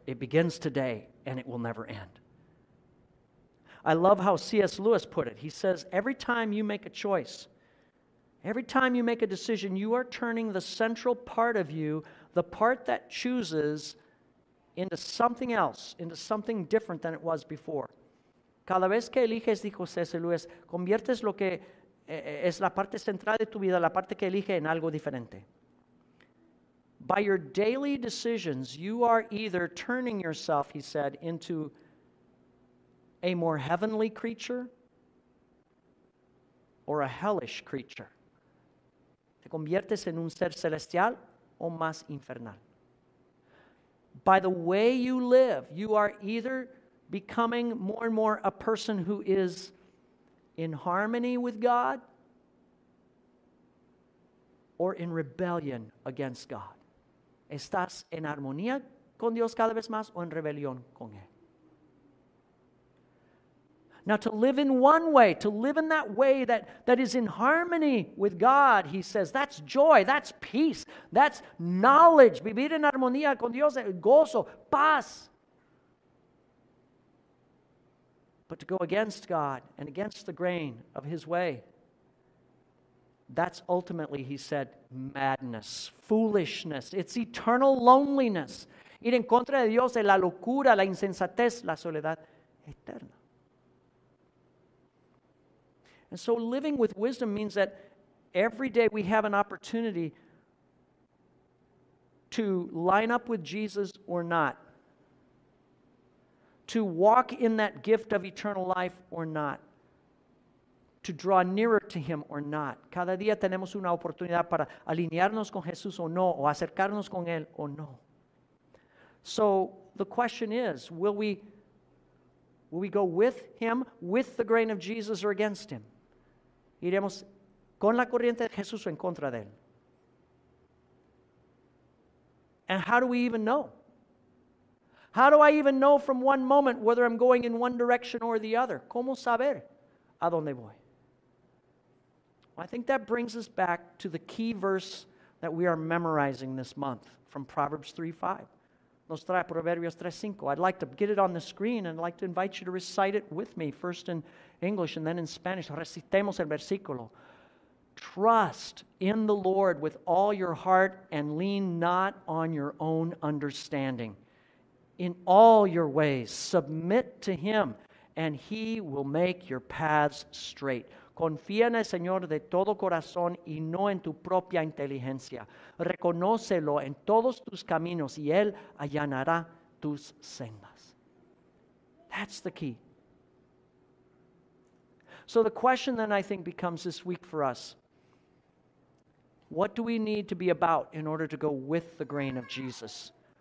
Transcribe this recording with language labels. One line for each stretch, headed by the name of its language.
English: It begins today and it will never end. I love how C.S. Lewis put it. He says, every time you make a choice, every time you make a decision, you are turning the central part of you, the part that chooses, into something else, into something different than it was before.
Spanish: Cada vez que eliges, dijo C.S. Lewis, conviertes lo que es la parte central de tu vida, la parte que elige, en algo diferente.
English: By your daily decisions, you are either turning yourself, he said, into a more heavenly creature or a hellish creature.
Spanish: Te conviertes en un ser celestial o más infernal.
English: By the way you live, you are either becoming more and more a person who is in harmony with God or in rebellion against God.
Spanish: ¿Estás en armonía con Dios cada vez más o en rebelión con Él?
English: Now to live in one way, to live in that way that is in harmony with God, he says, that's joy, that's peace, that's knowledge.
Spanish: Vivir en armonía con Dios, gozo, paz.
English: But to go against God and against the grain of His way, that's ultimately, he said, madness, foolishness. It's eternal loneliness.
Spanish: Ir en contra de Dios es la locura, la insensatez, la soledad eterna.
English: And so living with wisdom means that every day we have an opportunity to line up with Jesus or not, to walk in that gift of eternal life or not, to draw nearer to Him or not.
Spanish: Cada día tenemos una oportunidad para alinearnos con Jesús o no, o acercarnos con Él o no.
English: So the question is, will we go with Him, with the grain of Jesus, or against Him?
Spanish: ¿Iremos con la corriente de Jesús o en contra de Él?
English: And how do we even know? How do I even know from one moment whether I'm going in one direction or the other?
Spanish: ¿Cómo saber a dónde voy?
English: I think that brings us back to the key verse that we are memorizing this month from Proverbs 3:5.
Spanish: Nos trae Proverbios 3:5.
English: I'd like to get it on the screen and I'd like to invite you to recite it with me, first in English and then in Spanish.
Spanish: Recitemos el versículo.
English: Trust in the Lord with all your heart and lean not on your own understanding. In all your ways, submit to Him and He will make your paths straight.
Spanish: Confía en el Señor de todo corazón y no en tu propia inteligencia. Reconócelo en todos tus caminos y Él allanará tus sendas.
English: That's the key. So the question then I think becomes this week for us. What do we need to be about in order to go with the grain of Jesus?